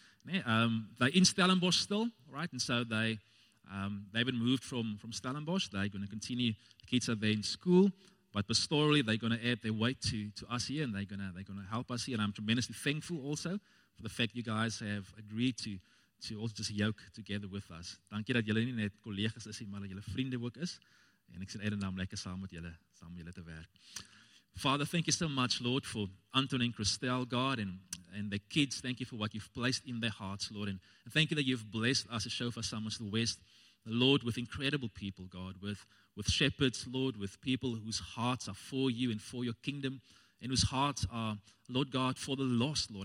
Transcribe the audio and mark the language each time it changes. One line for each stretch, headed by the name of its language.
English: They're in Stellenbosch still, right? And so they haven't moved from Stellenbosch. They're going to continue. The kids are there in school, but pastorally they're going to add their weight to us here, and they're going to help us here. And I'm tremendously thankful also for the fact you guys have agreed to also just yoke together with us.
Afrikaans: Dankie dat julle nie net kollegas is, maar dat julle vriende ook is. En ek sien uit om lekker saam met julle te werk.
English: Father, thank you so much, Lord, for Anton and Christelle, God, and the kids. Thank you for what you've placed in their hearts, Lord. And thank you that you've blessed us as Shofar Samosa West, Lord, with incredible people, God, with shepherds, Lord, with people whose hearts are for you and for your kingdom, and whose hearts are, Lord God, for the lost, Lord.